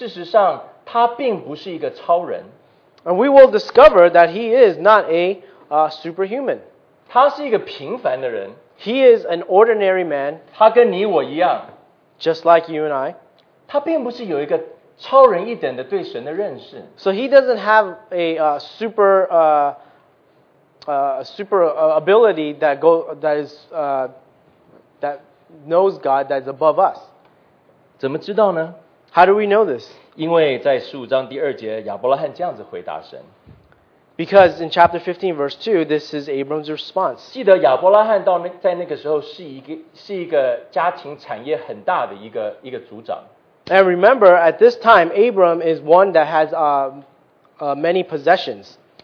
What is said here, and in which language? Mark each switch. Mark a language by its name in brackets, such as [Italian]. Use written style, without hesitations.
[Chinese] 我们会发现亚伯拉罕事实上他并不是一个超人。 [English] And we will discover that he is not a superhuman. [Chinese] 他是一个平凡的人。 [English] He is an ordinary man. [Chinese] 他跟你我一样, [English] just like you and I. [Chinese] 他并不是有一个超人一点的对神的认识。 [English] So he doesn't have a super ability that knows God that's above us. [Chinese] 怎么知道呢? [English] How do we know this? [Chinese] 因为在15章第2节, 亚伯拉罕这样子回答神。 [English] Because in chapter 15, verse 2, this is Abram's response. [Chinese] 记得亚伯拉罕在那个时候是一个家庭产业很大的一个族长。 [English] And remember, at this time, Abram is one that has many possessions.